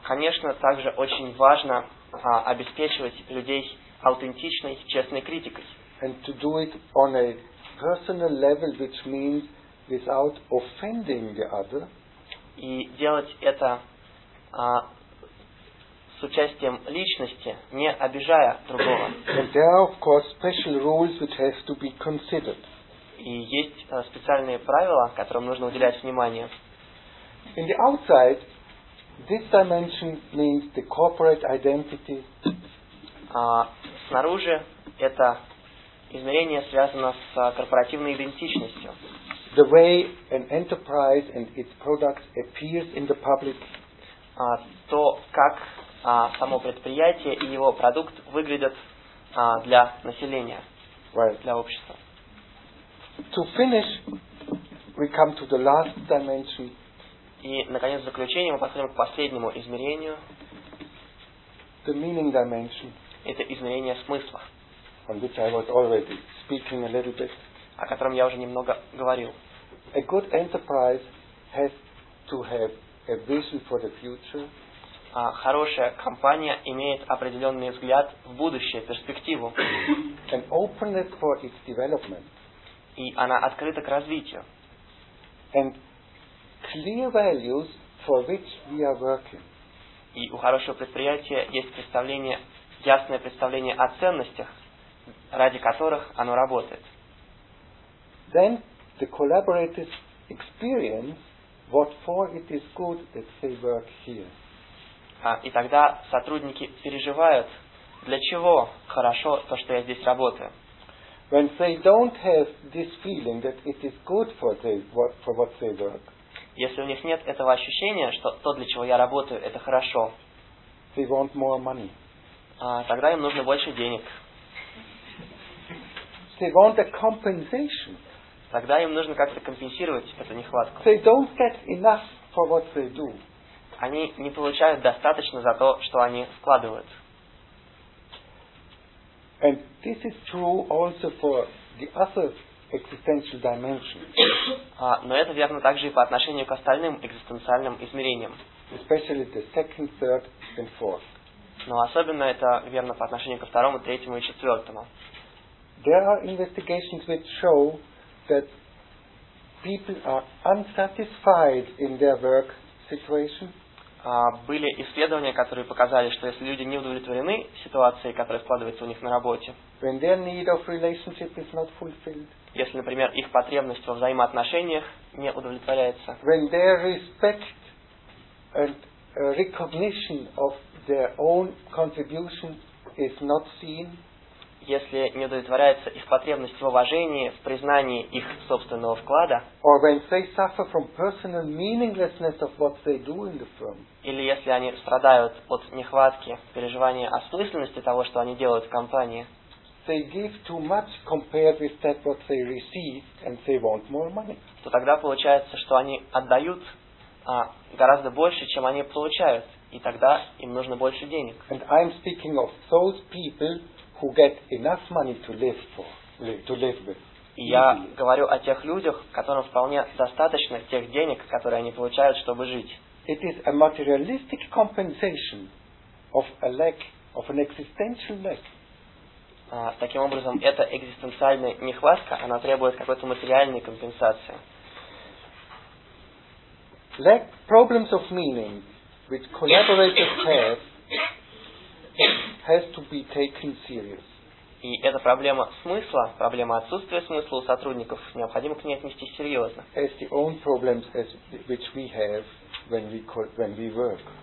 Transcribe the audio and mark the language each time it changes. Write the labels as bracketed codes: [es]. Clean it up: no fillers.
[ru] Конечно, также очень важно обеспечивать людей аутентичной, честной критикой. [en] And to do it on a personal level, which means without offending the other. [ru] И делать это с участием личности, не обижая другого. [en] And there are, of course, special rules which have to be considered. [ru] И есть специальные правила, которым нужно уделять внимание. [en] In the outside, this dimension means the corporate identity. [ru] Снаружи это измерение связано с корпоративной идентичностью. [en] The way an enterprise and its products appears in the public. [ru] То, как само предприятие и его продукт выглядят для населения, [en] right. [ru] Для общества. [en] To finish, we come to the last dimension. [ru] И, наконец, в заключение мы подходим к последнему измерению. [en] The meaning dimension. [ru] Это измерение смысла. [en] On which I was already speaking a little bit. [ru] О котором я уже немного говорил. [en] A good enterprise has to have a vision for the future. [ru] Хорошая компания имеет определенный взгляд в будущее, перспективу. [en] An openness for its development. [ru] И она открыта к развитию. [en] And clear values for which we are working. [ru] И у хорошего предприятия есть представление, ясное представление о ценностях, ради которых оно работает. [en] Then the collaborators experience what for it is good that they work here. [ru] И тогда сотрудники переживают, для чего хорошо то, что я здесь работаю. [en] When they don't have this feeling that it is good for what they work. [ru] Если у них нет этого ощущения, что то, для чего я работаю, это хорошо, [en] they want more money. [ru] Тогда им нужно больше денег. [en] They want a compensation. [ru] Тогда им нужно как-то компенсировать эту нехватку. [en] They don't get enough for what they do. [ru] Они не получают достаточно за то, что они вкладывают. [en] And this is true also for the other existential dimension. [ru] Но это верно также и по отношению к остальным экзистенциальным измерениям. [en] Especially the second, third, and fourth. [ru] Но особенно это верно по отношению ко второму, третьему и четвертому. [en] There are investigations which show that people are unsatisfied in their work situation. [ru] Были исследования, которые показали, что если люди не удовлетворены ситуацией, которая складывается у них на работе, [en] when their need of relationship is not fulfilled, [ru] если, например, их потребность во взаимоотношениях не удовлетворяется, [en] when their respect and recognition of their own contribution is not seen, [ru] если не удовлетворяется их потребность в уважении, в признании их собственного вклада, [en] or when they suffer from personal meaninglessness of what they do in the firm, [ru] или если они страдают от нехватки, переживания осмысленности того, что они делают в компании, [en] they give too much compared with that what they receive, and they want more money. [ru] То тогда получается, что они отдают гораздо больше, чем они получают, и тогда им нужно больше денег. [en] And I'm speaking of those people who get enough money to live for, to live with. [ru] Я говорю о тех людях, которым вполне достаточно тех денег, которые они получают, чтобы жить. [en] It is a materialistic compensation of a lack, of an existential lack. [ru] Таким образом, это экзистенциальная нехватка, она требует какой-то материальной компенсации. [en] Lack problems of meaning which collaborators have has to be taken serious. [ru] И эта проблема смысла, проблема отсутствия смысла у сотрудников, необходимо к ней отнести серьезно. [en] As the own problems as which we have when we work.